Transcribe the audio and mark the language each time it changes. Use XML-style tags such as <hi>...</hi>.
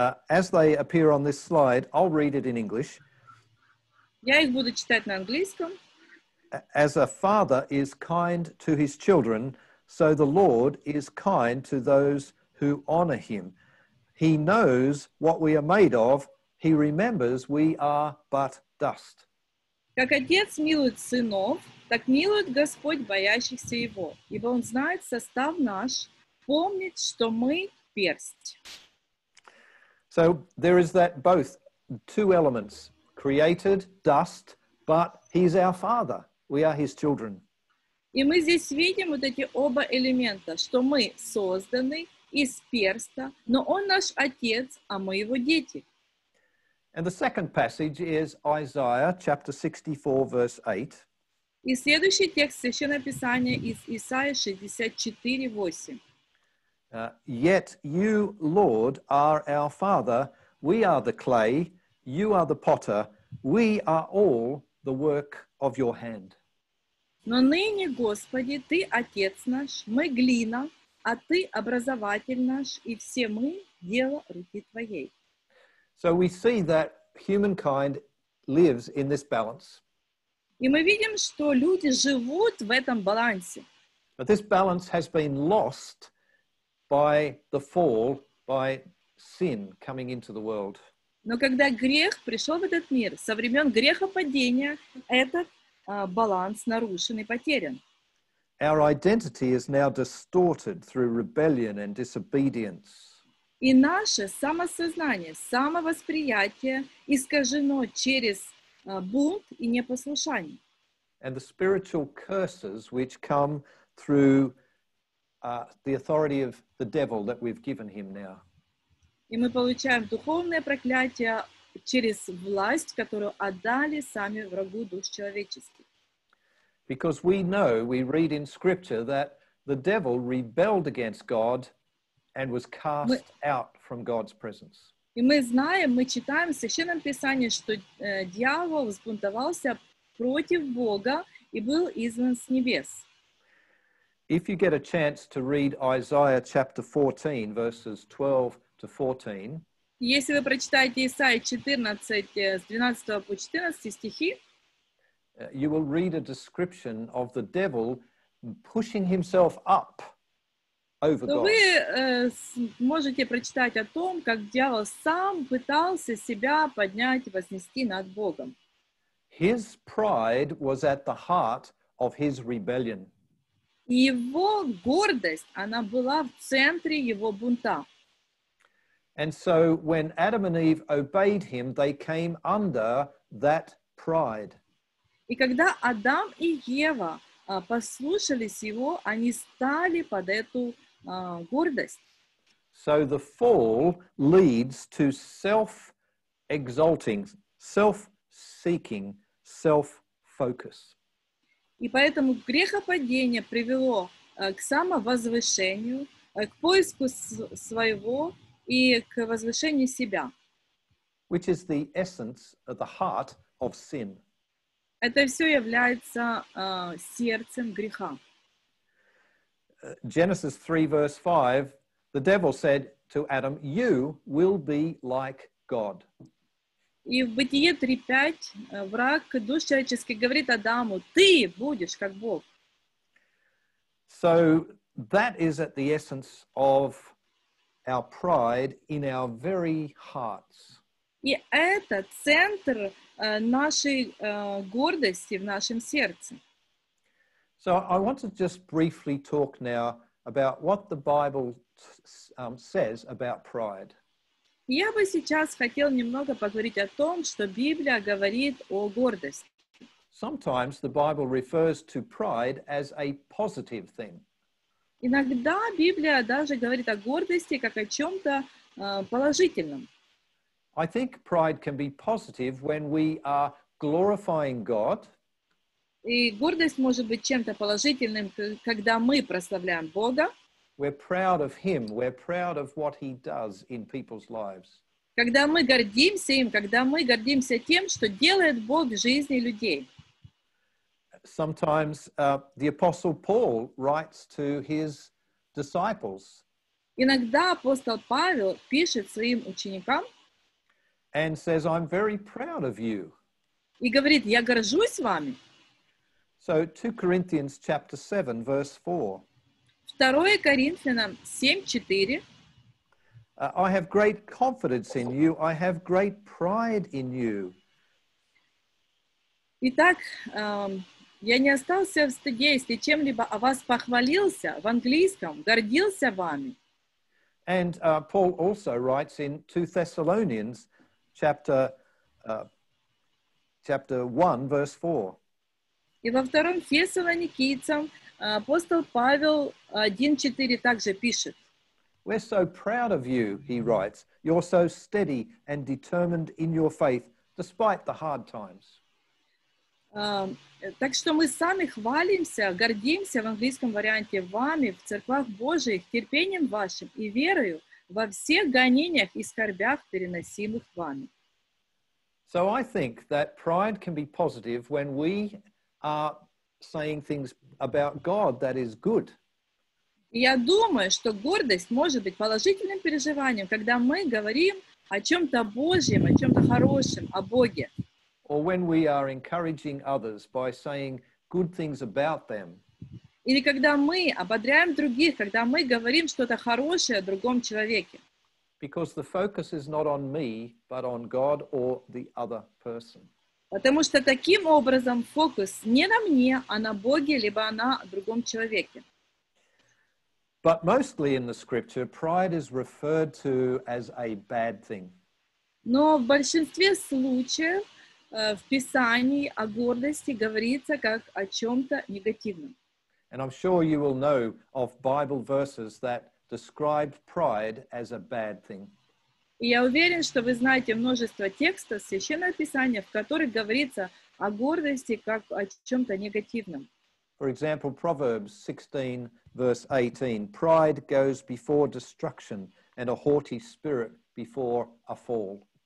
<en>As they appear on this slide, I'll read it in English.</en> <ru>Я их буду читать на английском.</ru> <en>As a father is kind to his children, so the Lord is kind to those who honor him. He knows what we are made of. He remembers we are but dust.</en> <ru>Как отец милует сынов, так милует Господь боящихся Его, ибо Он знает состав наш, помнит, что мы персть.</ru> <en>So there is that both two elements, created dust, but He's our Father. We are His children.</en> <ru>И мы здесь видим вот эти оба элемента, что мы созданы из перста, но Он наш Отец, а мы Его дети.</ru> <en>And the second passage is Isaiah chapter 64, verse 8.</en> <ru>И следующий текст Священного Писания из Исаия 64:8.</ru> <en>Yet you, Lord, are our Father. We are the clay. You are the potter. We are all the work of your hand.</en> <ru>Но ныне, Господи, Ты Отец наш, мы глина, а Ты образователь наш, и все мы дело руки Твоей.</ru> <en>So we see that humankind lives in this balance.</en> <ru>И мы видим, что люди живут в этом балансе.</ru> <en>But this balance has been lost by the fall, by sin coming into the world.</en> <ru>Но когда грех пришел в этот мир, со времен грехопадения, этот баланс нарушен и потерян.</ru> <en>Our identity is now distorted through rebellion and disobedience.</en> <ru>И наше самосознание, самовосприятие искажено через бунт и непослушание.</ru> <en>And the spiritual curses which come through the authority of the devil that we've given him now.</en> <ru>И мы получаем духовное проклятие через власть, которую отдали сами врагу душ человеческих.</ru> <en>Because we know, we read in scripture that the devil rebelled against God and was cast out from God's presence.</en> <ru>И мы знаем, мы читаем в Священном Писании, что дьявол взбунтовался против Бога и был изгнан с небес.</ru> <en>If you get a chance to read Isaiah chapter 14, verses 12 to 14.</en> <ru>Если вы прочитаете Исаия 14, с 12 по 14 стихи,</ru> <en>you will read a description of the devil pushing himself up over God.</en> <ru>Вы можете прочитать о том, как дьявол сам пытался себя поднять и вознести над Богом.</ru> <en>His pride was at the heart of his rebellion.</en> <ru>Его гордость, она была в центре его бунта.</ru> <en>And so when Adam and Eve obeyed him, they came under that pride.</en> <ru>И когда Адам и Ева послушались его, они стали под эту гордость.</ru> <en>So the fall leads to self-exalting, self-seeking, self-focus.</en> <ru>И поэтому грехопадение привело к самовозвышению, к поиску своего и к возвышению себя.</ru> <en>Which is the essence of the heart of sin.</en> <ru>Это все является сердцем греха.</ru> <en>Genesis 3, verse 5, the devil said to Adam, you will be like God.</en> <ru>И в Бытие 3:5 враг душ человеческих говорит Адаму, ты будешь как Бог.</ru> <en>So that is at the essence of our pride in our very hearts.</en> <ru>И это центр нашей гордости в нашем сердце.</ru> <en>So I want to just briefly talk now about what the Bible says about pride.</en> <ru>Я бы сейчас хотел немного поговорить о том, что Библия говорит о гордости.</ru> <en>Sometimes the Bible refers to pride as a positive thing.</en> <ru>Иногда Библия даже говорит о гордости как о чем-то положительном.</ru> <en>I think pride can be positive when we are glorifying God.</en> <ru>И гордость может быть чем-то положительным, когда мы прославляем Бога.</ru> <en>We're proud of Him. We're proud of what He does in people's lives.</en> <ru>Когда мы гордимся им, когда мы гордимся тем, что делает Бог в жизни людей.</ru> <en>Sometimes the Apostle Paul writes to his disciples.</en> <ru>Иногда апостол Павел пишет своим ученикам.</ru> <en>And says, "I'm very proud of you."</en> <ru>И говорит, я горжусь вами.</ru> <en>So 2 Corinthians chapter 7, verse</en> <ru>4. 2 Коринфянам 7:4.</ru> <en>I have great confidence in you. I have great pride in you.</en> <ru>Итак, я не остался в стыде, если чем-либо о вас похвалился в английском, гордился вами.</ru> <en>And Paul also writes in 2 Thessalonians chapter 1 verse 4.</en> <ru>И во втором Фессалоникийцам апостол Павел 1:4 также пишет.</ru> <en>We're so proud of you, he writes. You're so steady and determined in your faith despite the hard times.</en> <ru>Так что мы сами хвалимся, гордимся в английском варианте вами в церквах Божьих, терпением вашим и верою во всех гонениях и скорбях, переносимых вами.</ru> <en>So I think that pride can be positive when we are saying things about God that is good.</en> <ru>Я думаю, что гордость может быть положительным переживанием, когда мы говорим о чем-то Божьем, о чем-то хорошем, о Боге.</ru> <en>Or when we are encouraging others by saying good things about them.</en> <ru>Или когда мы ободряем других, когда мы говорим что-то хорошее о другом человеке.</ru> <en>Because the focus is not on me, but on God or the other person.</en> <ru>Потому что таким образом фокус не на мне, а на Боге, либо на другом человеке.</ru> <en>But mostly in the scripture, pride is referred to as a bad thing.</en> <ru>Но в большинстве случаев в Писании о гордости говорится как о чем-то негативном.</ru> <en>And I'm sure you will know of Bible verses that describe pride as a bad thing.</en> <ru>И я уверен, что вы знаете множество текстов Священного Писания, в которых говорится о гордости как о чем-то негативном.</ru> <en>For example, Proverbs 16, verse 18. Pride goes before destruction, and a haughty spirit before a fall.</en>